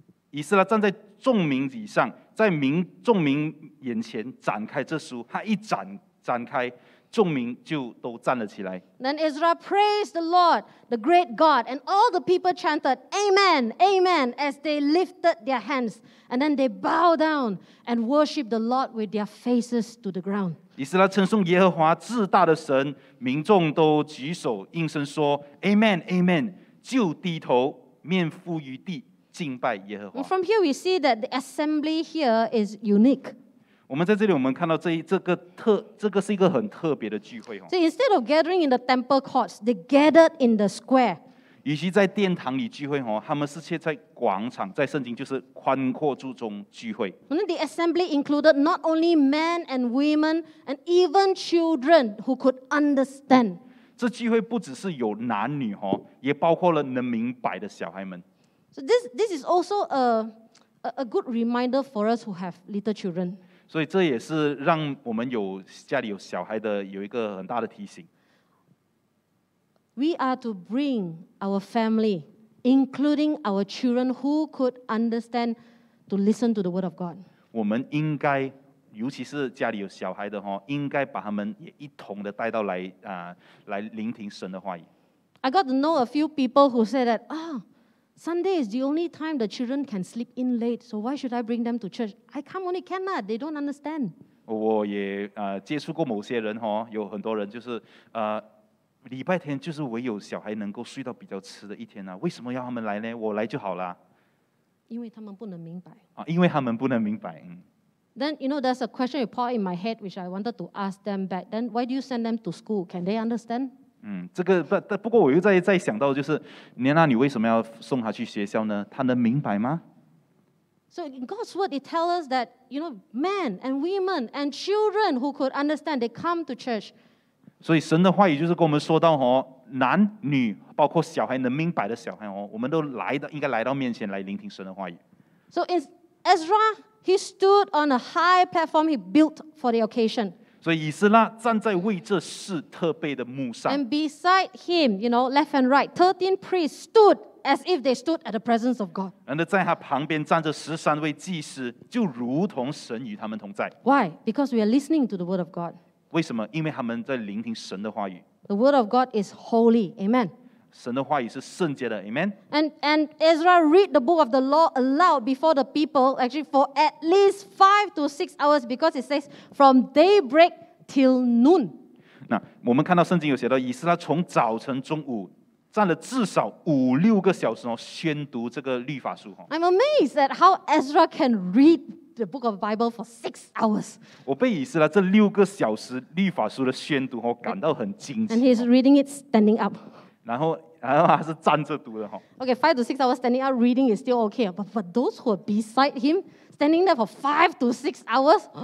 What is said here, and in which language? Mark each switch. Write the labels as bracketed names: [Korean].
[Chinese] 以斯拉站在众民以上，在众民眼前展开这书，他一展开，众民就都站了起来。 [English] Then Ezra praised the Lord, the great God, and all the people chanted, "Amen, Amen," as they lifted their hands, and then they bowed down and worshipped the Lord with their faces to the ground. [Chinese] 以斯拉称颂耶和华至大的神，民众都举手应声说 "Amen, Amen," 就低头面伏于地。敬拜耶和华。 [English] And from here, we see that the assembly here is unique. [Chinese] 我们在这里，我们看到这个是一个很特别的聚会。 [English] So instead of gathering in the temple courts, they gathered in the square. [Chinese] 与其在殿堂里聚会，他们是却在广场，在圣经就是宽阔处中聚会。 [English] And the assembly included not only men and women, and even children who could understand. [Chinese] 这聚会不只是有男女，也包括了能明白的小孩们。 [English] So this is also a good reminder for us who have little children. [Chinese] 所以这也是让我们有家里有小孩的有一个很大的提醒。 [English] We are to bring our family, including our children, who could understand, to listen to the word of God. [Chinese] 我们应该尤其是家里有小孩的哈，应该把他们也一同的带到来啊，来聆听神的话语。 [English] I got to know a few people who said that Sunday is the only time the children can sleep in late, so why should I bring them to church? I come only can not. They don't understand. [Chinese] 我也接触过某些人哈，有很多人就是礼拜天就是唯有小孩能够睡到比较迟的一天啊，为什么要他们来呢？我来就好了。因为他们不能明白。啊，因为他们不能明白。 [English] Then you know there's a question that popped in my head which I wanted to ask them back. Then why do you send them to school? Can they understand? [Chinese] 不过我又在想到就是，莲娜，你为什么要送他去学校呢？他能明白吗？ [English] So in God's word, it tells us that you know men and women and children who could understand they come to church. [Chinese] 所以神的话语就是跟我们说到哦，男女包括小孩能明白的小孩哦，我们都来的应该来到面前来聆听神的话语。 [English] So in Ezra. He stood on a high platform he built for the occasion. [Chinese] So, 以斯拉站在为这事特备的幕上。 [English] And beside him, you know, left and right, 13 priests stood as if they stood at the presence of God. [Chinese] And 在他旁边站着13位祭司，就如同神与他们同在。 [English] Why? Because we are listening to the word of God. [Chinese] 为什么？因为他们在聆听神的话语。 [English] The word of God is holy. Amen. [Chinese] 神的话语是圣洁的 ，Amen. [English] And Ezra read the book of the law aloud before the people, actually for at least 5 to 6 hours, because it says from daybreak till noon. [Chinese] 那我们看到圣经有写到，以斯拉从早晨中午站了至少5-6个小时哦，宣读这个律法书哦。 [English] I'm amazed at how Ezra can read the book of the Bible for 6 hours. [Chinese] 我被以斯拉这六个小时律法书的宣读哦感到很惊奇。 [English] And he's reading it standing up. [Chinese] 然后他是站着读的哈。 [English] Okay, 5 to 6 hours standing up reading is still okay, but for those who are beside him standing there for 5 to 6 hours,